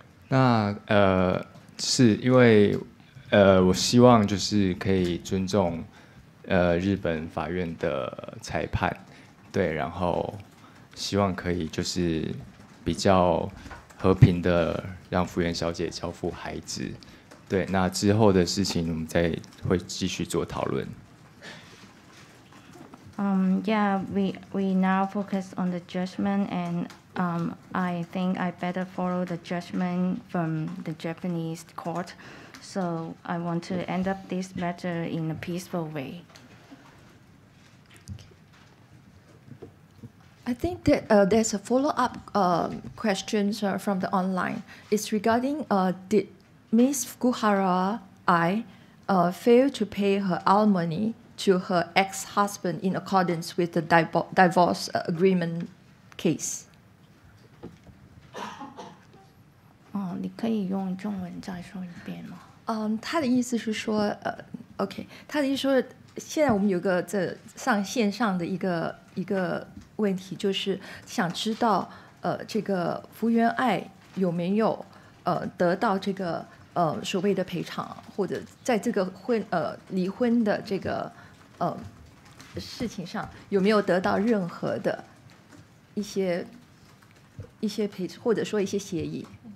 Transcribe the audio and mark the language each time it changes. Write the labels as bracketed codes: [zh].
[zh] 那是因为我希望就是可以尊重日本法院的裁判，对，然后希望可以就是比较和平的让福原小姐交付孩子，对，那之后的事情我们再会继续做讨论。 [en] We now focus on the judgment, and I think I better follow the judgment from the Japanese court. So I want to end up this matter in a peaceful way. I think that there's a follow-up question from the online. It's regarding did Ms. Fukuhara fail to pay her alimony to her ex-husband in accordance with the divorce agreement case. [zh] 你可以用中文再说一遍吗？他的意思是说，他的意思说，现在我们有个在上线上的一个问题，就是想知道，这个福原爱有没有得到这个所谓的赔偿，或者在这个离婚的这个事情上有没有得到任何的一些赔偿，或者说一些协议？